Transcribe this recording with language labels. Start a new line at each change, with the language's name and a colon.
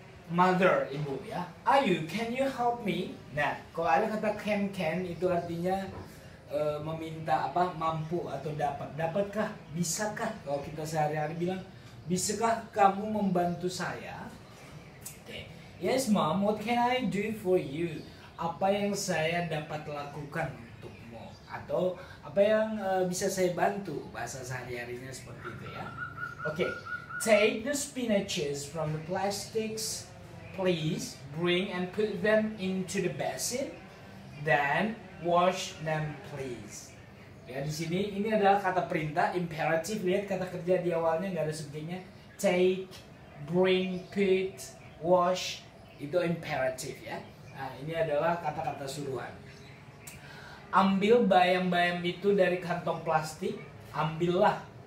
Indonesian: Mother, Ibu ya. Ayu,
English: can you help me?
Indonesian: Nah, kalau ada kata can itu artinya meminta apa, mampu atau dapat. Dapatkah, bisakah? Kalau kita sehari-hari bilang, bisakah kamu membantu saya?
English: Yes, Mom, what can I do for you?
Indonesian: Apa yang saya dapat lakukan untukmu? Atau apa yang bisa saya bantu? Bahasa sehari-harinya seperti itu ya.
English: Okay, take the spinaches from the plastics, please bring and put them into the basin, then wash them, please.
Indonesian: Ya, di sini ini adalah kata perintah, imperative. Lihat kata kerja di awalnya, nggak ada subjeknya.
English: Take, bring, put, wash.
Indonesian: Itu imperative ya. Nah, ini adalah kata-kata suruhan. Ambil bayam-bayam itu dari kantong plastik, ambillah.